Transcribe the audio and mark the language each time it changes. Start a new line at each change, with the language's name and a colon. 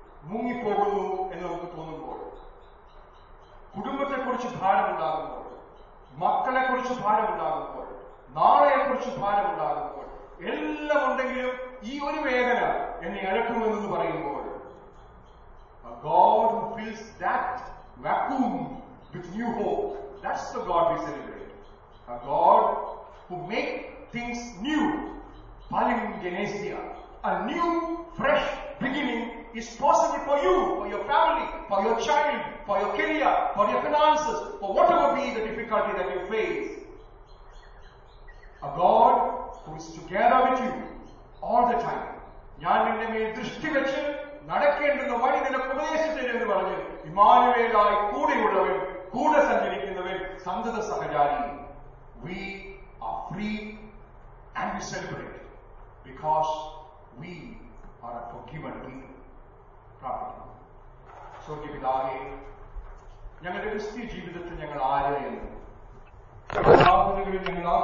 Malayalam: മുങ്ങിപ്പോകുന്നു എന്ന് നമുക്ക് തോന്നുമ്പോൾ, കുടുംബത്തെക്കുറിച്ച് ഭാരമുണ്ടാകുമ്പോൾ, മക്കളെക്കുറിച്ച് ഭാരമുണ്ടാകുമ്പോൾ, നാളെയെക്കുറിച്ച് ഭാരമുണ്ടാകുമ്പോൾ, എല്ലാം ഉണ്ടെങ്കിലും ഈ ഒരു വേദന എന്നെ അലക്കും എന്ന് പറയുമ്പോൾ
English: a God who fills that vacuum with new hope, that's the God we celebrate. A God who make things new, palim genesia, a new fresh beginning is possible for you, for your family, for your child, for your career, for your finances, for whatever be the difficulty that you face. A God who is together with you all the time.
Malayalam: ഞാൻ നിന്റെ മേൽ ദൃഷ്ടി വെച്ച് നടക്കേണ്ടുന്ന വഴി നിനക്ക് ഉപദേശിച്ചു എന്ന് പറഞ്ഞ് ഇമ്മാനുവേലായി കൂടെയുള്ളവൻ, കൂടെ സഞ്ചരിക്കുന്നവൻ, സന്തത സഹചാരി.
English: We are free and we celebrate because we are a forgiven property.
Malayalam: സ്വർഗീയപിതാവേ, ഞങ്ങളുടെ ക്രിസ്ത്യ ജീവിതത്തിൽ ഞങ്ങൾ ആരെയും